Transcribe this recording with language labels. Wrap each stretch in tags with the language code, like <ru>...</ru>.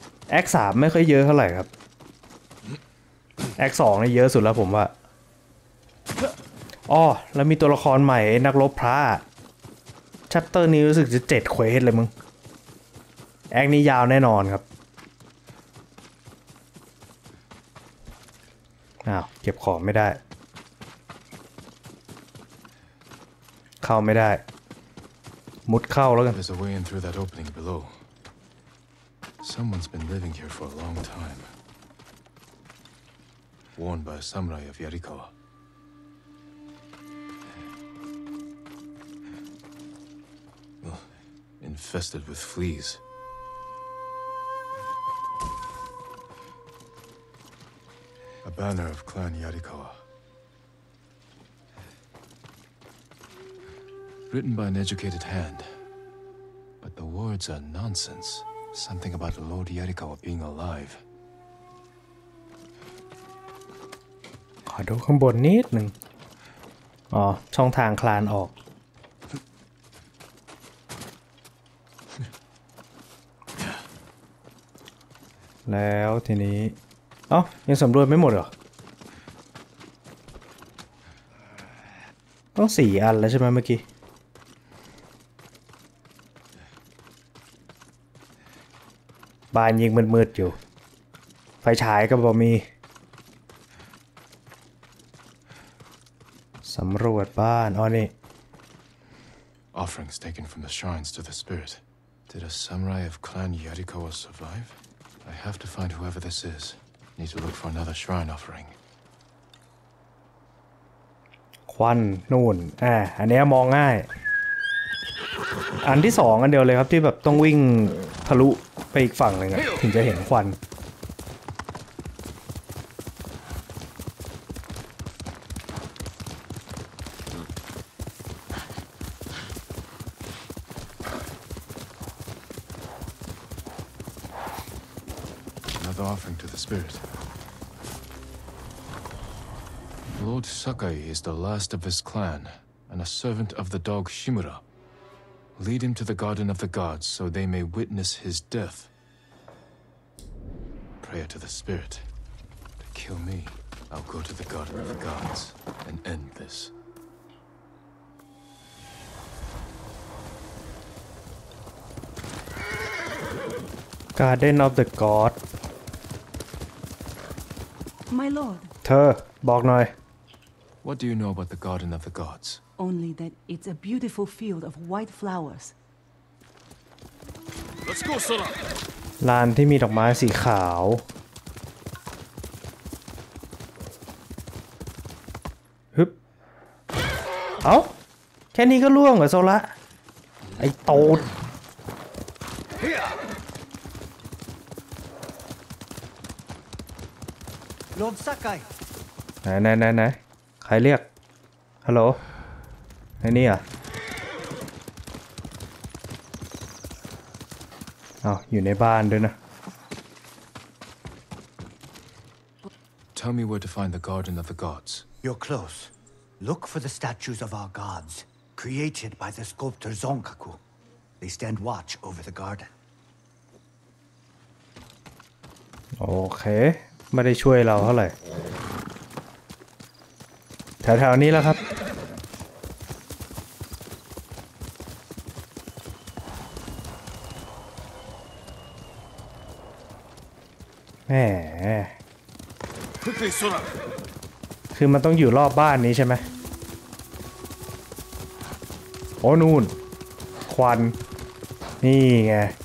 <th>แอค3ไม่ค่อยเยอะเท่าไหร่ครับแอค2นี่เยอะสุดแล้วผมว่าอ๋อแล้วมีตัวละครใหม่นักรบพระแชปเตอร์นี้รู้สึกจะ7เควสเลยมึงแอคนี้ยาวแน่นอนครับอ้าวเก็บของไม่ได้เข้าไม่ได้มุดเข้าแล้วกัน</th> <en>There's a way in through that opening below. Someone's been living here for a long time. Worn by a samurai of Yarikawa. Well, infested with fleas. A banner of Clan Yarikawa. Written by an educated hand. But the words are nonsense. Something about Lord Yarikawa being alive.</en> <th>ขอดูข้างบนนิดหนึ่งอ๋อช่องทางคลานออก แล้วทีนี้อ๋อยังสำรวจไม่หมดเหรอต้องสี่อันแล้วใช่ไหมเมื่อกี้บ้านยิงมืดๆอยู่ไฟฉายก็บ่มีสำรวจบ้านอ๋อนี่</th> <en>Offerings taken from the shrines to the spirit. Did a samurai of Clan Yarikawa survive? I have to find whoever this is. Need to look for another shrine offering.</en> <th>ควันนู่นอันนี้มองง่ายอันที่สองอันเดียวเลยครับที่แบบต้องวิ่งทะลุไปอีกฝั่งเลยถึงจะเห็นควัน</th> <en>Another offering to the spirit. Lord Sakai is the last of his clan, and a servant of the dog Shimura. Lead him to the Garden of the Gods so they may witness his death. Prayer to the spirit. To kill me, I'll go to the Garden of the Gods and end this. Garden of the God. My lord.</en> <th>บอกหน่อย</th> <en>What do you know about the Garden of the Gods? Only that it's a beautiful field of white flowers. Let's go, Sora.</en> <th>ลานที่มีดอกไม้สีขาวฮึบเอ้าแค่นี้ก็ล่วงเหรอโซระไอ้โต</th> <en>Lord Sakai.</en> <th>นะใครเรียกฮัลโหลไอ้นี่อ่ะเอาอยู่ในบ้านด้วยนะ</th> <en>Tell me where to find the Garden of the Gods. You're close. Look for the statues of our gods, created by the sculptor Zonkaku. They stand watch over the garden.</en> <th>โอเคไม่ได้ช่วยเราเท่าไหร่แถวๆนี้แล้วครับแหมคือมันต้องอยู่รอบบ้านนี้ใช่ไหมโอ้นู่นควันนี่ไง</th>